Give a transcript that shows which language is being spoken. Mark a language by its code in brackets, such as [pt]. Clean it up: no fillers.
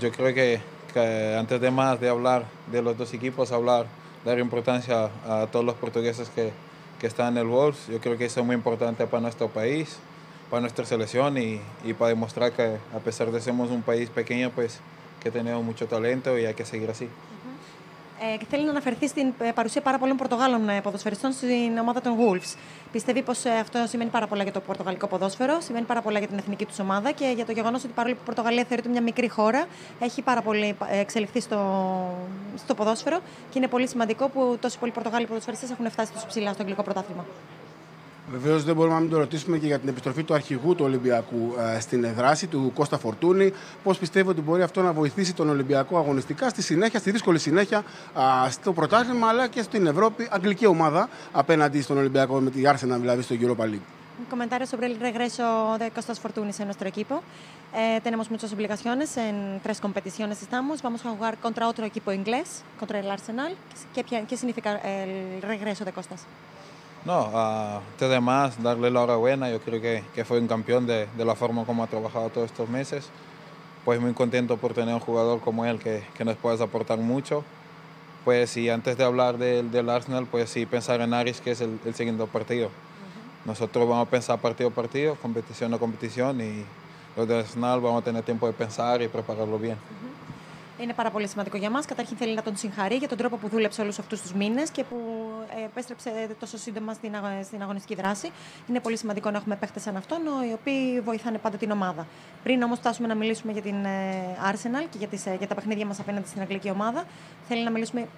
[es] Yo creo que antes de más de hablar de los dos equipos, dar importancia a todos los portugueses que están en el Wolves. Yo creo que eso es muy importante para nuestro país, para nuestra selección y para demostrar que a pesar de ser un país pequeño, pues que tenemos mucho talento y hay que seguir así. [el] Θέλει να αναφερθεί στην παρουσία πάρα πολλών Πορτογάλων ποδοσφαιριστών στην ομάδα των Wolves. Πιστεύει πως αυτό σημαίνει πάρα πολλά για το πορτογαλικό ποδόσφαιρο, σημαίνει πάρα πολλά για την εθνική του ομάδα και για το γεγονός ότι παρόλο που η Πορτογαλία θεωρείται μια μικρή χώρα, έχει πάρα πολύ εξελιχθεί στο ποδόσφαιρο και είναι πολύ σημαντικό που τόσοι πολλοί Πορτογάλοι ποδοσφαιριστές έχουν φτάσει τόσο ψηλά στο αγγλικό πρωτάθλημα. Βεβαίως δεν μπορούμε να μην το ρωτήσουμε και για την επιστροφή του αρχηγού του Ολυμπιακού στην δράση, του Κώστα Φορτούνη. Πώς πιστεύει ότι μπορεί αυτό να βοηθήσει τον Ολυμπιακό αγωνιστικά στη συνέχεια, στη δύσκολη συνέχεια, στο πρωτάθλημα αλλά και στην Ευρώπη, αγγλική ομάδα απέναντι στον Ολυμπιακό με τη Arsenal, δηλαδή στο Europa League. [es] Un comentario sobre el regreso de Costas Fortunis en nuestro equipo. Tenemos muchas obligaciones, en tres competiciones estamos. Vamos a jugar contra otro equipo inglés, contra el Arsenal. ¿Qué significa el regreso de Costas? No, antes de más, darle la enhorabuena. Yo creo que fue un campeón de la forma como ha trabajado todos estos meses. Pues muy contento por tener un jugador como él que nos puede aportar mucho. Pues y antes de hablar del Arsenal, pues sí pensar en Aris, que es el segundo partido. Nosotros vamos a pensar partido a partido, competición a competición y lo del Arsenal vamos a tener tiempo de pensar y prepararlo bien. [el] Είναι πάρα πολύ σημαντικό για μας. Καταρχήν θέλει να τον συγχαρεί για τον τρόπο που δούλεψε όλους αυτούς τους μήνες και που επέστρεψε τόσο σύντομα στην αγωνιστική δράση. Είναι πολύ σημαντικό να έχουμε παίχτες σαν αυτόν, οι οποίοι βοηθάνε πάντα την ομάδα. Πριν όμως φτάσουμε να μιλήσουμε για την Arsenal και για τα παιχνίδια μας απέναντι στην αγγλική ομάδα, θέλει να μιλήσουμε.